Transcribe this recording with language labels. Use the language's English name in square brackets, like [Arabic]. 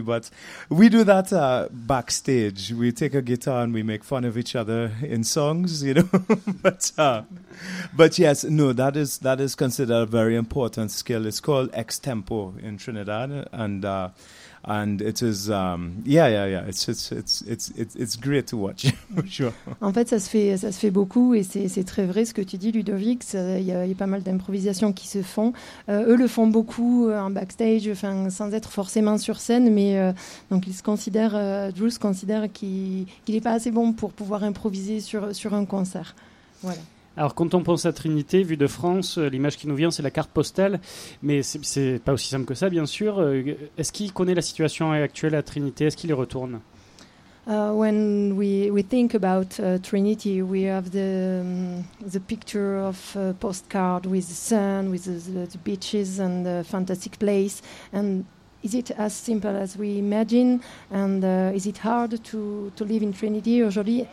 [English] But we do that backstage. We take a guitar and we make fun of each other in songs, you know. but yes, no, that is considered a very important skill. It's called extempo in Trinidad, and. And it is, it's great to watch, for sure. [French] En fait, ça se fait beaucoup, et c'est très vrai ce que tu dis, Ludovic. Il y a pas mal d'improvisations qui se font. Eux le font beaucoup en backstage, enfin sans être forcément sur scène. Mais donc ils se considèrent, Drew se considère qu'il est pas assez bon pour pouvoir improviser sur un concert. Voilà. Alors, quand on pense à Trinité, vu de France, l'image qui nous vient, c'est la carte postale. Mais c'est pas aussi simple que ça, bien sûr. Est-ce qu'il connaît la situation actuelle à Trinité? Est-ce qu'il y retourne? [English] When we think about Trinity, we have the picture of a postcard with the sun, with the beaches and the fantastic place. And is it as simple as we imagine? And is it hard to live in Trinity [French] aujourd'hui?